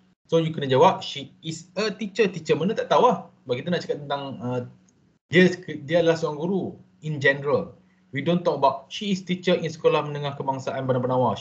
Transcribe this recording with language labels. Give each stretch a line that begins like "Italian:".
English: So, you
Malay: kena jawab,
English: she is a teacher.
Malay: Teacher mana tak tahu lah. Sebab kita nak cakap tentang dia adalah seorang guru
English: in general. We don't talk about she is teacher in
Malay: sekolah menengah kebangsaan
English: Bernama-Nama.